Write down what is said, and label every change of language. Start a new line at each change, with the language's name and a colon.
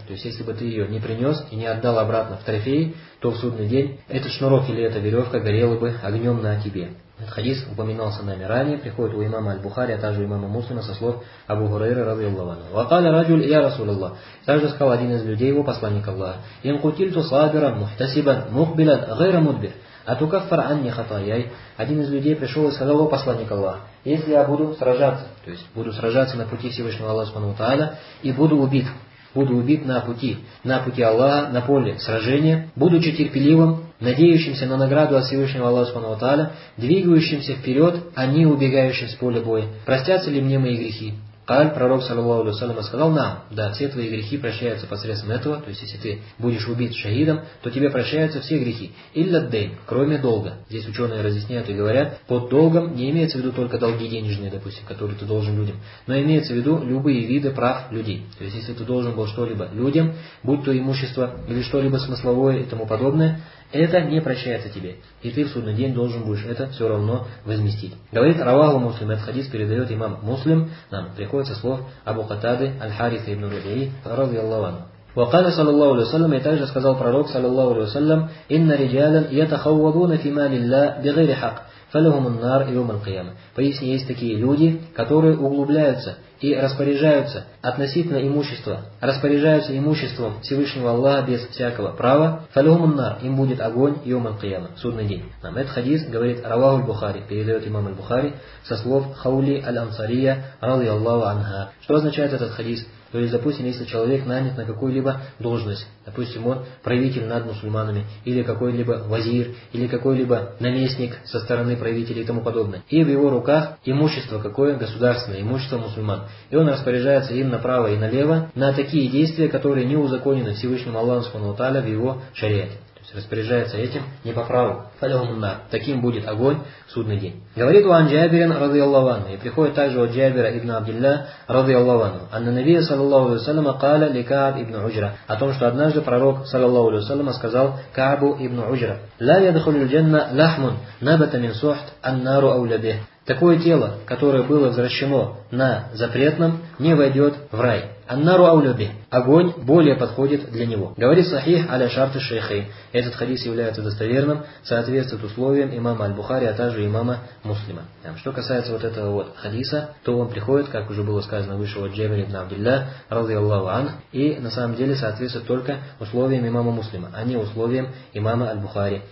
Russian: То есть если бы ты ее не принес и не отдал обратно в трофеи, то в судный день этот шнурок или эта веревка горела бы огнем на тебе. Хадис упоминался нами ранее, приходит у имама Аль-Бухари, а также у имама Муслима со слов Абу Хурайры
Arabic: رضي الله عنه. وَقَالَ رَجُلْ يَا رَسُولَ اللَّهِ
Russian: также сказал один из людей его, посланник Аллаха,
Arabic: إِنْ قُتِلْتُ صَابِرًا مُحْتَسِبًا مُقْبِلًا غَيْرَ مُدْبِرٍ أَتُكَفَّرْ عَنِّي خَطَايَايَ.
Russian: Один из людей пришел и сказал его, посланник Аллаха, если я буду сражаться, то есть буду сражаться на пути Всевышнего Аллаха Субхану Тааля и буду убит на пути Аллаха, на поле сражения, будучи терпеливым, надеющимся на награду от Всевышнего Аллаха Субхану ва Тааля, двигающимся вперед, а не убегающим с поля боя. Простятся ли мне мои грехи? Каль, пророк, саллаллаху алейхи ва саллям, сказал нам, да, все твои грехи прощаются посредством этого, то есть если ты будешь убит шахидом, то тебе прощаются все грехи.
Arabic: Илля дейн,
Russian: кроме долга. Здесь ученые разъясняют и говорят, под долгом не имеется в виду только долги денежные, допустим, которые ты должен людям, но имеется в виду любые виды прав людей. То есть если ты должен был что-либо людям, будь то имущество или что-либо смысловое и тому подобное, это не прощается тебе. И ты в судный день должен будешь это все равно возместить. Говорит Равагу Муслим, этот хадис передает имам Муслим, нам приходится слов Абу Хатады Аль-Хариса ибн Рубии,
Arabic: رضي الله عنه. وقال صلى الله عليه وسلم
Russian: и также сказал пророк
Arabic: صلى الله عليه وسلم إن رجالا يتخوضون في مال الله بغير حق فلهم النار يوم القيامة.
Russian: Поясни, есть такие люди, которые углубляются и распоряжаются относительно имущества, распоряжаются имуществом Всевышнего Аллаха без всякого права,
Arabic: فلهم النار,
Russian: им будет огонь
Arabic: يوم القيامة,
Russian: судный день. Нам этот хадис говорит Раваху аль-Бухари, передает имам аль-Бухари со слов Хаули аль-Ансария
Arabic: رضي الله عنها.
Russian: Что означает этот хадис? То есть, допустим, если человек нанят на какую-либо должность, допустим, он правитель над мусульманами, или какой-либо вазир, или какой-либо наместник со стороны правителей и тому подобное, и в его руках имущество какое, государственное имущество мусульман, и он распоряжается им направо и налево на такие действия, которые не узаконены Всевышним Аллахом Субхану ва Тааля в его шариате. Распоряжается этим не по праву. Таким будет огонь в судный день. Говорит Уан Джабирин
Arabic: رضي الله عنه,
Russian: и приходит также от Джабира ибн Абдилля
Arabic: رضي الله عنه, أن النبي صلى الله عليه وسلم قال لكعب ابن عجرة,
Russian: о том, что однажды пророк
Arabic: صلى الله عليه وسلم
Russian: сказал Каабу ибн Уджра,
Arabic: لا يدخل الجنة لحم نبت من سحت النار أو لبه.
Russian: Такое тело, которое было возвращено на запретном, не войдет в рай.
Arabic: Аннару аулюби.
Russian: Огонь более подходит для него. Говорит сахих аля шарты шейхи. Этот хадис является достоверным, соответствует условиям имама аль-Бухари, а также имама Муслима. Что касается вот этого вот хадиса, то он приходит, как уже было сказано, выше от Джабира ибн Абдилля,
Arabic: رضي الله عنه,
Russian: и на самом деле соответствует только условиям имама Муслима, а не условиям имама аль-Бухари.